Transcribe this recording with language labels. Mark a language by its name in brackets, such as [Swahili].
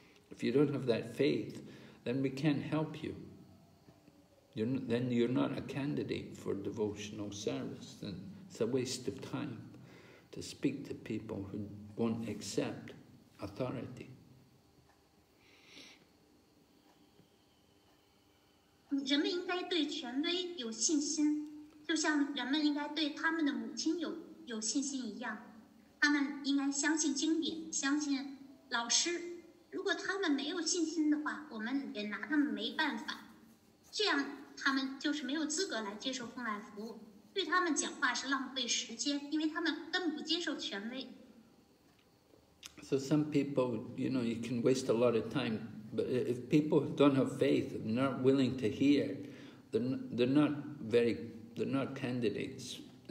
[English] If you don't have that faith, then we can't help you. You're not a candidate for devotional service. Then it's a waste of time to speak to people who won't accept authority. [Chinese] 人们应该对权威有信心，就像人们应该对他们的母亲有信心一样。他们应该相信经典，相信老师。如果他们没有信心的话，我们也拿他们没办法。这样他们就是没有资格来接受奉献服务。对他们讲话是浪费时间，因为他们根本不接受权威。 [English] So some people, you can waste a lot of time. But if people don't have faith, not willing to hear, they're not candidates.